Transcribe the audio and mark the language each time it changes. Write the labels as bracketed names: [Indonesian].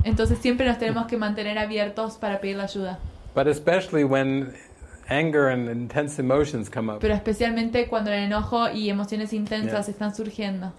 [Spanish] Entonces siempre nos tenemos que mantener abiertos para pedir la ayuda. [English] But especially when anger and intense emotions come up. [Spanish] Pero especialmente cuando el enojo y emociones intensas están surgiendo.